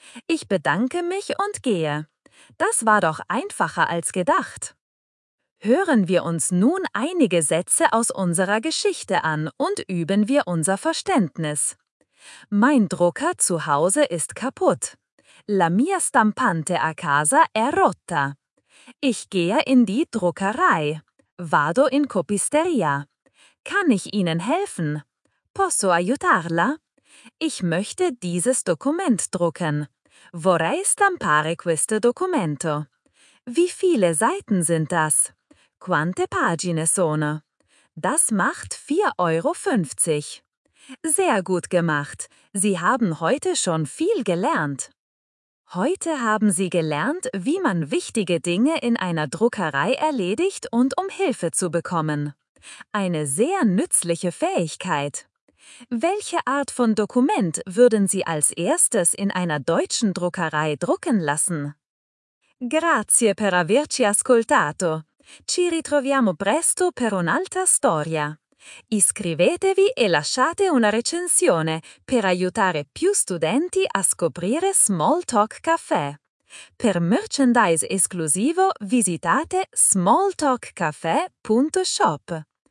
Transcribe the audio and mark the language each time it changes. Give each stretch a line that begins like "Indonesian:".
German: Ich bedanke mich und gehe. Das war doch einfacher als gedacht. Hören wir uns nun einige Sätze aus unserer Geschichte an und üben wir unser Verständnis. Mein Drucker zu Hause ist kaputt.
Italian: La mia stampante a casa è rotta.
German: Ich gehe in die Druckerei.
Italian: Vado in copisteria.
German: Kann ich Ihnen helfen?
Italian: Posso aiutarla?
German: Ich möchte dieses Dokument drucken.
Italian: Vorrei stampare questo documento.
German: Wie viele Seiten sind das?
Italian: Quante pagine sono?
German: Das macht 4,50 Euro. Sehr gut gemacht. Sie haben heute schon viel gelernt. Heute haben Sie gelernt, wie man wichtige Dinge in einer Druckerei erledigt und um Hilfe zu bekommen. Eine sehr nützliche Fähigkeit. Welche Art von Dokument würden Sie als erstes in einer deutschen Druckerei drucken lassen?
Italian: Grazie per averci ascoltato. Ci ritroviamo presto per un'altra storia. Iscrivetevi e lasciate una recensione per aiutare più studenti a scoprire Small Talk Café. Per merchandise esclusivo visitate smalltalkcafe.shop.